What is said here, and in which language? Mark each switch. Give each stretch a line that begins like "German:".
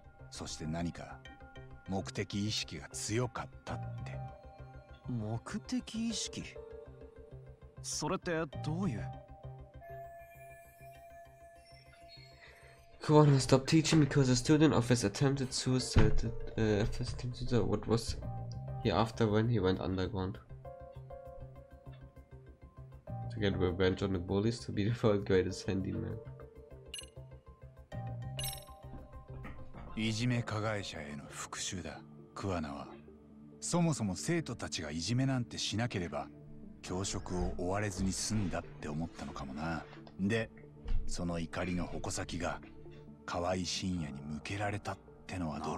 Japanese: そして何か目的意識が強かったって。目的意識、それってどういう。
English: Kuwana stopped teaching because a student of his attempted suicide attempted what was he after when he went underground to get revenge on the bullies to be the world's greatest handyman.
Japanese: いじめ加害者への復讐だ。桑名はそもそも生徒たちがいじめなんてしなければ教職を追われずに済んだって思ったのかもな。で、その怒りの矛先が河合深夜に向けられたってのはどう。